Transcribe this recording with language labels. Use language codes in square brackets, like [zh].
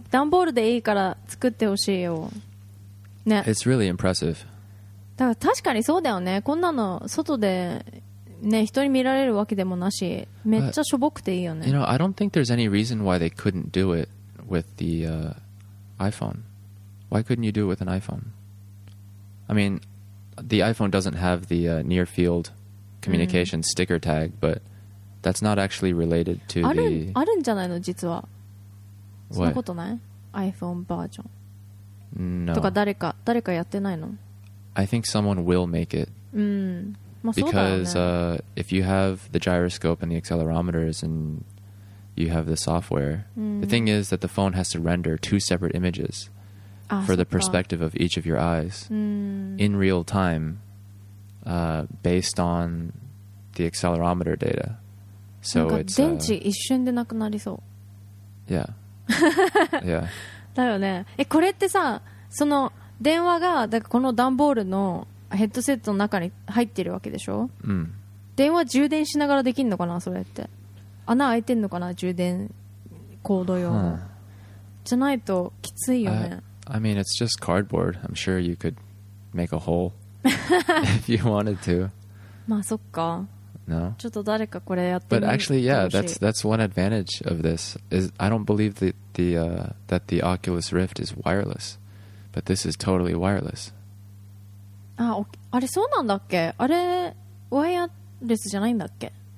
[ja] ダンボールでいいから作ってほしいよ。ね。 [en] It's really impressive. [ja] だから確かにそうだよね。こんなの外でね、人に見られるわけでもなし、めっちゃしょぼくていいよね。 [en] You know, I don't think there's any reason why they couldn't do it with the, iPhone. Why couldn't you do it with an iPhone? I mean, the iPhone doesn't have the, near field communication sticker tag, but that's not actually related to the... [ja] あるんじゃないの実は。 [en] What? [ja] そんなことない?iPhone version. [en] No. [ja] とか誰かやってないの? [en] I think someone will make it. [ja] まあ、 [en] Because, [ja] そうだよね。 [en] If you have the gyroscope and the accelerometers and you have the software, the thing is that the phone has to render two separate images. For the perspective of each of your eyes in real time, based on the accelerometer data. So it's. [ja] 電池一瞬でなくなりそう。 [en] Yeah. Yeah. [ja] だよね。これってさ、その電話がだからこの段ボールのヘッドセットの中に入ってるわけでしょ。電話充電しながらできるのかな、それって。穴開いてんのかな、充電コード用の。じゃないときついよね。 [en] I mean, it's just cardboard. I'm sure you could make a hole if you wanted to. [ja] まあそっか。 [en] No. [ja] ちょっと誰かこれやってみ。 [en] But actually, yeah, that's one advantage of this is I don't believe that the Oculus Rift is wireless, but this is totally wireless. [ja] あれそうなんだっけ？あれワイヤレスじゃないんだっけ？